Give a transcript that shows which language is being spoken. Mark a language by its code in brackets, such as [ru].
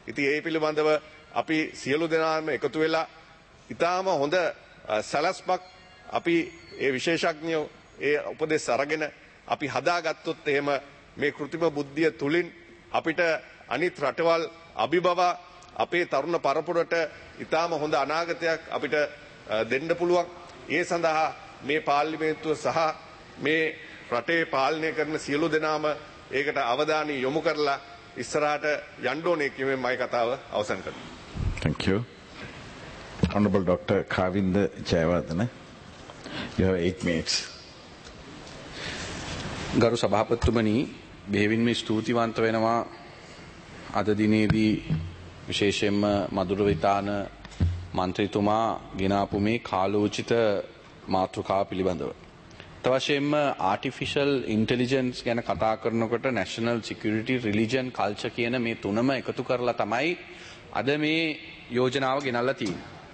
[si] ඉතින් ඒ පිළිබඳව අපි සියලු දෙනාම එකතු වෙලා ඉතාම හොඳ සලස්පක් අපි ඒ විශේෂඥ ඒ උපදෙස් අරගෙන අපි හදාගත්තොත් එහෙම මේ કૃතිම බුද්ධිය තුලින් අපිට අනිත් රටවල් අභිබවා අපේ තරුණ පරපුරට ඉතාම හොඳ අනාගතයක් අපිට දෙන්න පුළුවන්. ඒ සඳහා මේ පාර්ලිමේන්තුව සහ මේ රටේ පාලනය කරන සියලු දෙනාම ඒකට අවධානය යොමු කරලා ඉස්සරහට යන්න ඕනේ කියමෙන් මගේ කතාව අවසන් කරනවා. [en] Thank you. Honorable Dr. Kavinda Jayawardena, you have 8 minutes. [si] ගරු සභාපතිතුමනි, බෙහෙවින්ම ස්තුතිවන්ත වෙනවා අද දිනේදී විශේෂයෙන්ම මధుර විතාන මන්ත්‍රීතුමා ගෙනාපු මේ කාලෝචිත මාතෘකා පිළිබඳව. තවශයෙන්ම ආටිෆිෂල් ඉන්ටෙලිජන්ස් ගැන කතා කරනකොට නැෂනල් සිකියුරිටි, රිලිජන්, කල්චර් කියන මේ තුනම එකතු කරලා තමයි අද මේ යෝජනාව ගෙනල්ලා තියෙන්නේ.